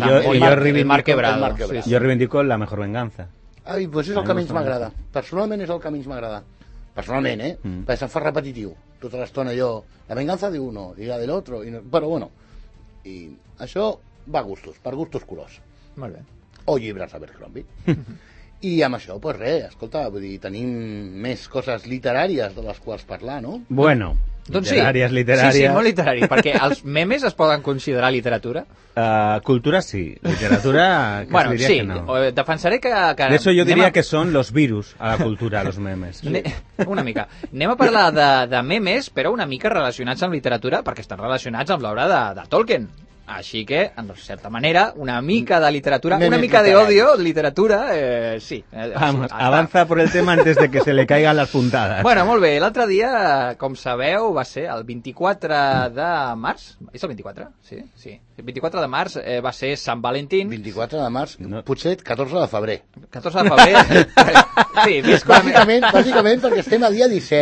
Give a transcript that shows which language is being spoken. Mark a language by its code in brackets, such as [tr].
[ca] Jo reivindico La mejor venganza. Ai, doncs és el que menys m'agrada. Personalment és el que menys m'agrada. Personalment, eh? Perquè se'm fa repetitiu. Tota l'estona jo, [es] la venganza de uno, y la del otro, y no... [ca] però bueno. I això va a gustos, per gustos colors. Molt bé. O llibres a Abercrombie. I amb això, doncs pues res, escolta, vull dir, tenim més coses literàries de les quals parlar, no? Bueno, Doncs literàries, sí. Literàries. Sí, sí, molt literari, perquè els memes es poden considerar literatura. Cultura, sí. Literatura, que bueno, diria sí. Que no. Bueno, sí, defensaré que... D'això jo diria que són los virus a la cultura, los memes. Una mica. Anem a parlar de memes, però una mica relacionats amb literatura, perquè estan relacionats amb l'obra de Tolkien. Així que, en certa manera, una mica de literatura, una mica de odio, literatura, sí. [es] Vamos, avanza por el tema antes de que se le caigan las puntadas. [ca] Bueno, molt bé, l'altre dia, com sabeu, va ser el 24 de març, és el 24? Sí, sí. El 24 de març va ser Sant Valentín. 24 de març, no. Potser 14 de febrer. 14 de febrer, sí, visc bàsicament, bàsicament perquè estem a dia 17,